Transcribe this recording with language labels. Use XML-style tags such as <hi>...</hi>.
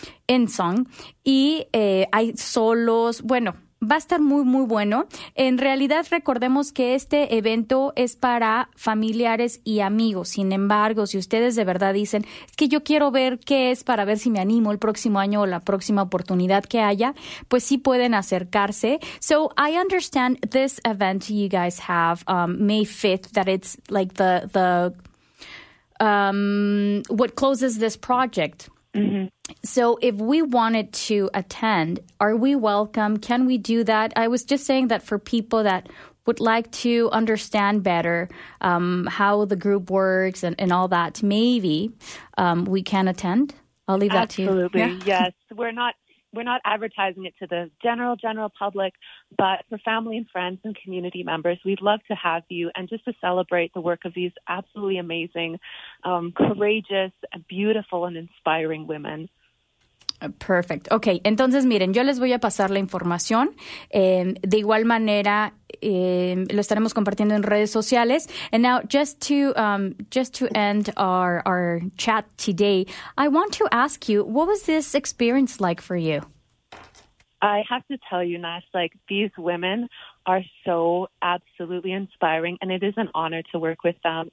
<es>En Song, y hay solos, bueno, va a estar muy, muy bueno. En realidad, recordemos que este evento es para familiares y amigos. Sin embargo, si ustedes de verdad dicen, es que yo quiero ver qué es para ver si me animo el próximo año o la próxima oportunidad que haya, pues sí pueden acercarse.</es> <en>So, I understand this event you guys have, May 5th, that it's like the what closes this project. Mm-hmm. So if we wanted to attend, are we welcome? Can we do that? I was just saying that for people that would like to understand better how the group works and all that, maybe we can attend. I'll leave that absolutely to you. Absolutely, yeah. Yes. We're not advertising it to the general public, but for family and friends and community members, we'd love to have you and just to celebrate the work of these absolutely amazing, courageous, beautiful, and inspiring women. Perfect. Okay.</en> <es>Entonces, miren, yo les voy a pasar la información. De igual manera, lo estaremos compartiendo en redes sociales.</es> <en>And now, just to end our chat today, I want to ask you, what was this experience like for you? I have to tell you, Nash, like, these women are so absolutely inspiring, and it is an honor to work with them.</en>